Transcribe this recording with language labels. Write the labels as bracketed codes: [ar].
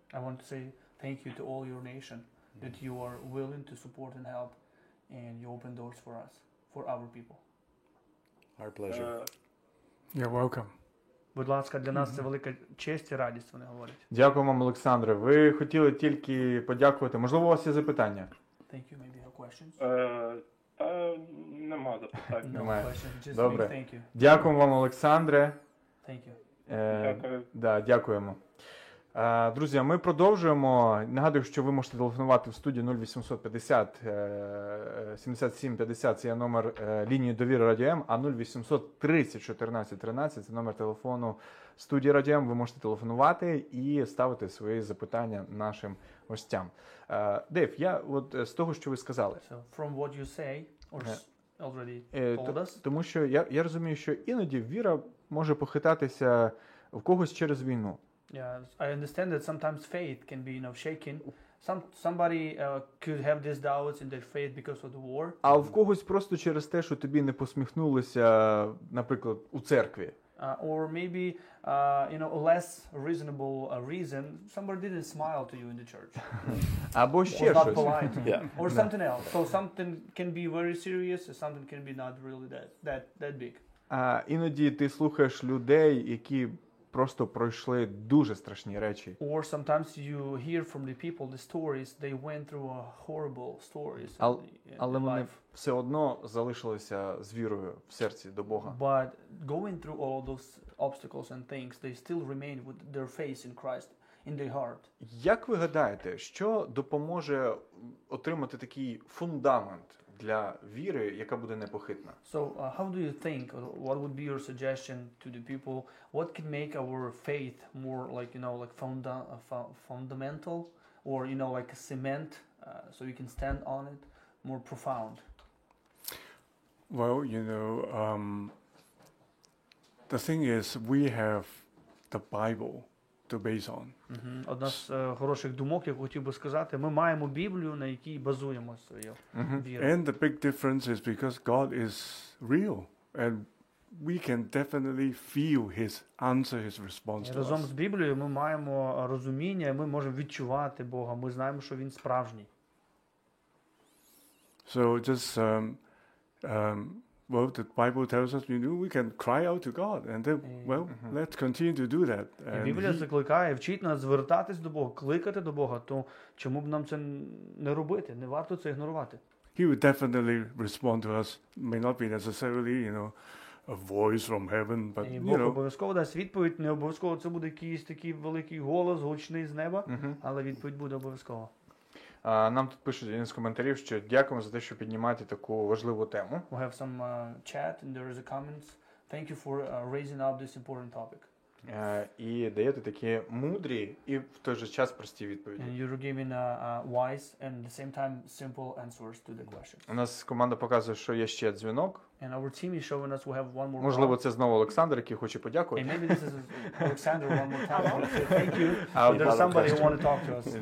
[en] I want to say thank you to all your nation that you are willing to support and help and you open doors for us, for our people. Our pleasure. You're welcome. [uk] Будь ласка, для нас це велика честь і радість, вони говорять. Дякую вам, Олександре. Ви хотіли тільки подякувати. Можливо, у вас є запитання? [en] Thank you, maybe have questions? [uk] Та нема запитань. Немає. Добре. [en] Thank you. [uk] Дякую вам, Олександре. [en] Thank you. [uk] Дякую. Да, дякуємо. Друзі, ми продовжуємо. Нагадую, що ви можете телефонувати в студію 0850-77-50, це є номер лінії довіри Радіо М, а 0830-14-13, це номер телефону студії Радіо М. Ви можете телефонувати і ставити свої запитання нашим гостям. Дейв, я от з того, що ви сказали. [en] So, from what you say, or already told us. [uk] Тому що я розумію, що іноді віра може похитатися в когось через війну. [en] Yeah, I understand that sometimes faith can be, you know, shaken. Somebody could have these doubts in their faith because of the war. [uk] А в когось просто через те, що тобі не посміхнулися, наприклад, у церкві. [en] Or maybe you know, a less reasonable reason, somebody didn't smile to you in the church. [uk] Або ще щось. [en] Not polite. Yeah. Or something else. So something can be very serious, or something can be not really that big. [uk] А іноді ти слухаєш людей, які просто пройшли дуже страшні речі. [en] Or sometimes you hear from the people the stories they went through, a horrible stories. [uk] Але вони все одно залишилися з вірою в серці до Бога. [en] But going through all those obstacles and things, they still remain with their faith in Christ in their heart. [uk] Як ви гадаєте, що допоможе отримати такий фундамент для віри, яка буде непохитна? [en] So, how do you think, what would be your suggestion to the people? What can make our faith more like, you know, like fundamental or, you know, like a cement, so you can stand on it, more profound? Well, you know, the thing is, we have the Bible to base on. Mm-hmm. [uk] Одна з хороших думок, яку хотів би сказати, ми маємо Біблію, на якій базуємо свою віру. [en] And the big difference is because God is real and we can definitely feel his answer, his response to us. [uk] Разом з Біблією ми маємо розуміння, ми можемо відчувати Бога, ми знаємо, що він справжній. [en] So just well, the Bible tells us, you know, we can cry out to God, and then, well, let's continue to do that. [uk] І Біблія закликає, вчить нас звертатись до Бога, кликати до Бога, то чому б нам це не робити, не варто це ігнорувати. [en] He would definitely respond to us, may not be necessarily, you know, a voice from heaven, but, you know. [uk] І Бог обов'язково дасть відповідь, не обов'язково це буде якийсь такий великий голос, гучний з неба, але відповідь буде обов'язково. Нам тут пишуть один з коментарів, що дякуємо за те, що піднімаєте таку важливу тему. [en] We have some chat and there is a comments. Thank you for raising up this important topic. [uk] І даєте такі мудрі і в той же час прості відповіді. [en] And you're giving wise and at the same time simple answers to the questions. [uk] У нас команда показує, що є ще дзвінок. [en] And our team is showing us we have one more. [uk] Можливо, це знову Олександр, який хоче подякувати. [en] And maybe this is Alexander one more time. Thank you. There's somebody who want to talk to us.